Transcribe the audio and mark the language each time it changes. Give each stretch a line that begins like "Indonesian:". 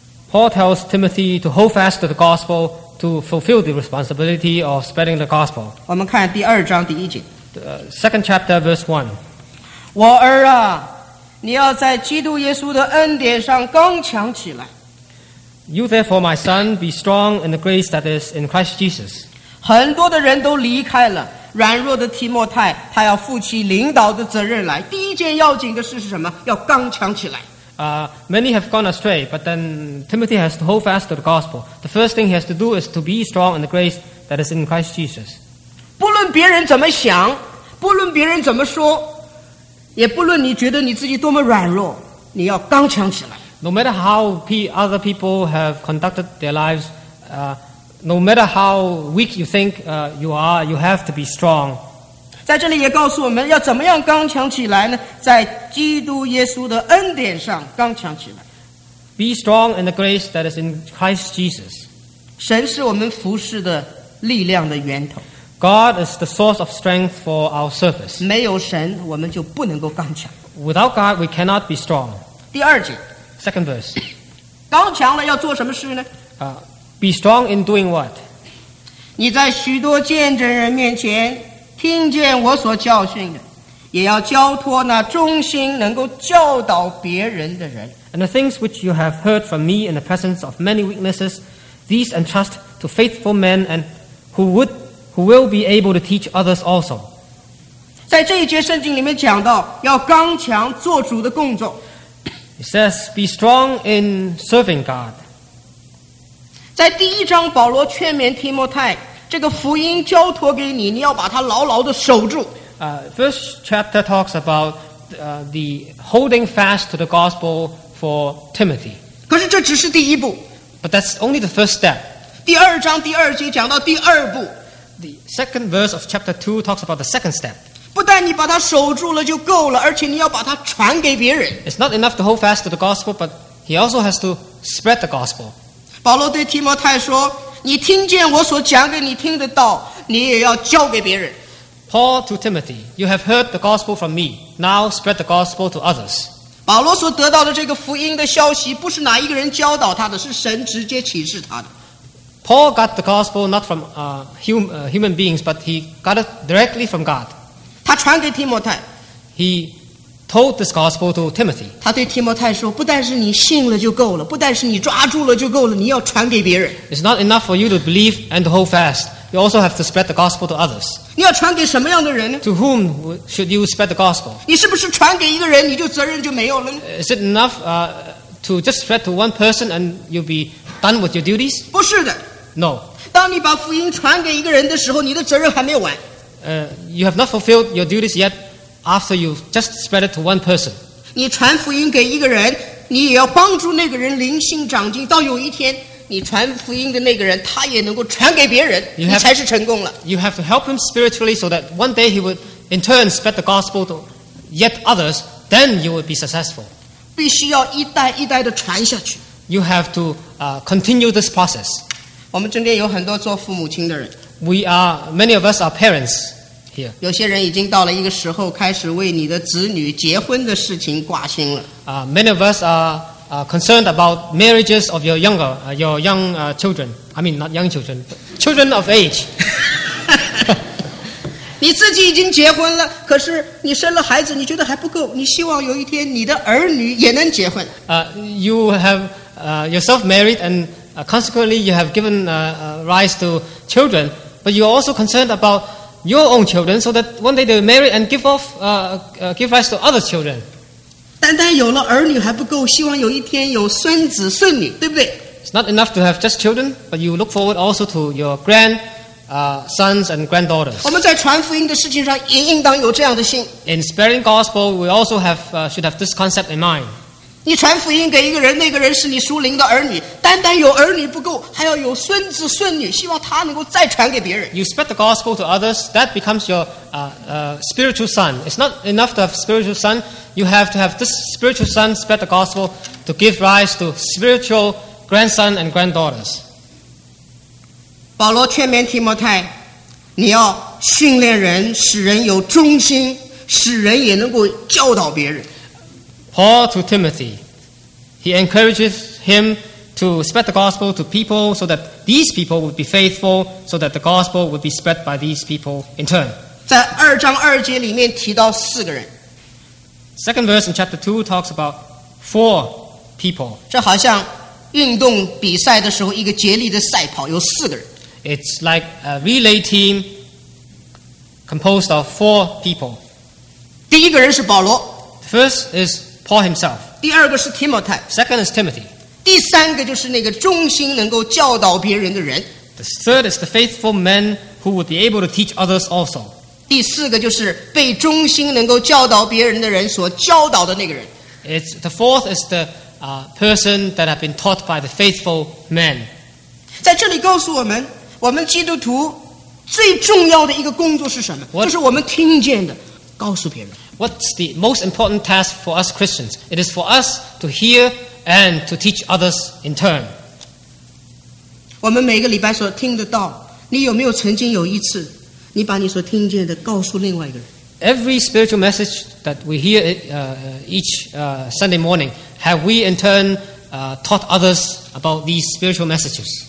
English: Paul tells Timothy to hold fast to the gospel to fulfill the responsibility of spreading the gospel.
Chinese: 我们看第二章第一节。
English: Second chapter, verse 1.
Chinese: 我儿啊, 你要在基督耶稣的恩典上刚强起来。
English: You therefore, my son, be strong in the grace that is in Christ Jesus.
Chinese: 很多的人都离开了软弱的提摩太, 他要负起领导的责任来。第一件要紧的事是什么? 要刚强起来。
English: Many have gone astray, but then Timothy has to hold fast to the gospel. The first thing he has to do is to be strong in the grace that is in Christ Jesus.
Chinese: 不论别人怎么想, 不论别人怎么说, 也不论你觉得你自己多么软弱, 你要刚强起来。
English: No matter how other people have conducted their lives, no matter how weak you think you are, you have to be strong.
Chinese: 在这里也告诉我们要怎么样刚强起来呢?在基督耶稣的恩典上刚强起来。
English: Be strong in the grace that is in Christ Jesus.
Chinese: 神是我们服事的力量的源头。
English: God is the source of strength for our service.
Chinese: 没有神,我们就不能够刚强。
English: Without God, we cannot be strong.
Chinese: 第二节,
English: Second verse.
Chinese: 刚强了要做什么事呢?
English: Be strong in doing what?
Chinese: 你在许多见证人面前, 听见我所教训的, 也要交托那忠心能够教导别人的人。
English: And the things which you have heard from me in the presence of many witnesses, these entrust to faithful men and who will be able to teach others also.
Chinese: 在这一节圣经里面讲到, 要刚强做主的工作。
English: It says, be strong in serving God.
Chinese: 在第一章保罗劝勉提摩太, 这个福音交托给你, 你要把它牢牢地守住。
English: First chapter talks about the holding fast to the gospel for Timothy.
Chinese: 可是这只是第一步。
English: But that's only the first step.
Chinese: 第二章第二节讲到第二步。
English: The second verse of chapter 2 talks about the second step.
Chinese: 不但你把它守住了就够了, 而且你要把它传给别人。
English: It's not enough to hold fast to the gospel, but he also has to spread the gospel.
Chinese: 保罗对提摩太说, 你听见我所讲给你听的道, 你也要交给别人。
English: Paul to Timothy, you have heard the gospel from me, now spread the gospel to others.
Chinese: 保罗所得到的这个福音的消息不是哪一个人教导他的, 是神直接启示他的。
English: Paul got the gospel not from human beings, but he got it directly from God.
Chinese: 他传给提摩太,
English: he told this gospel to Timothy.
Chinese: 他对提摩太说, 不但是你信了就够了, 不但是你抓住了就够了, 你要传给别人。
English: It's not enough for you to believe and to hold fast. You also have to spread the gospel to others.
Chinese: 你要传给什么样的人呢?
English: To whom should you spread the gospel?
Chinese: 你是不是传给一个人, 你就责任就没有了呢?
English: Is it enough to just spread to one person and you'll be done with your duties?
Chinese: 不是的。
English: No.
Chinese: 当你把福音传给一个人的时候, 你的责任还没有完。
English: You have not fulfilled your duties yet after you've just spread it to one person.
Chinese: 你传福音给一个人, 你也要帮助那个人灵性长进, 到有一天, 你传福音的那个人, 他也能够传给别人, 你才是成功了。
English: You have to help him spiritually so that one day he would in turn spread the gospel to yet others, then you would be successful.
Chinese: 必须要一代一代地传下去。
English: You have to continue this process.
Chinese: 我们这边有很多做父母亲的人。
English: We are, many of us are parents here.
Chinese: 有些人已经到了一个时候, 开始为你的子女结婚的事情挂心了。
English: Many of us are concerned about marriages of your younger, your young children. I mean, not young children, but children of age.
Chinese: 你自己已经结婚了, 可是你生了孩子, 你觉得还不够, 你希望有一天你的儿女也能结婚。
English: You have yourself married and consequently you have given rise to children, but you are also concerned about your own children so that one day they will marry and give rise to other children.
Chinese: 单单有了儿女还不够, 希望有一天有孙子孙女, 对不对?
English: It's not enough to have just children, but you look forward also to your grand sons and granddaughters.
Chinese: 我们在传福音的事情上也应当有这样的心。
English: In spreading gospel, we also have should have this concept in mind.
Chinese: 你传福音给一个人, 那个人是你属灵的儿女, 单单有儿女不够, 还要有孙子孙女, 希望他能够再传给别人。
English: You spread the gospel to others, that becomes your spiritual son. It's not enough to have spiritual son, you have to have this spiritual son spread the gospel to give rise to spiritual grandson and granddaughters.
Chinese: 保罗劝勉提摩太, 你要训练人, 使人有忠心, 使人也能够教导别人。
English: Paul to Timothy, he encourages him to spread the gospel to people so that these people would be faithful, so that the gospel would be spread by these people in turn.
Chinese: 在二章二节里面提到四个人。
English: Second verse in chapter 2 talks about four people.
Chinese: 这好像运动比赛的时候一个接力的赛跑有四个人。
English: It's like a relay team composed of four people.
Chinese: 第一个人是保罗。
English: First is Paul himself.
Chinese: 第二个是 Timothy.
English: Second is Timothy.
Chinese: 第三个就是那个忠心能够教导别人的人。
English: The third is the faithful man who would be able to teach others also.
Chinese: 第四个就是被忠心能够教导别人的人所教导的那个人。
English: It's the fourth is the person that have been taught by the faithful man.
Chinese: 在这里告诉我们，我们基督徒最重要的一个工作是什么？
English: What?
Chinese: 就是我们听见的，告诉别人。
English: What's the most important task for us Christians? It is for us to hear and to teach others in turn.
Chinese: 我们每个礼拜所听的道，你有没有曾经有一次，你把你所听见的告诉另外一个人？
English: Every spiritual message that we hear each Sunday morning, have we in turn taught others about these spiritual messages?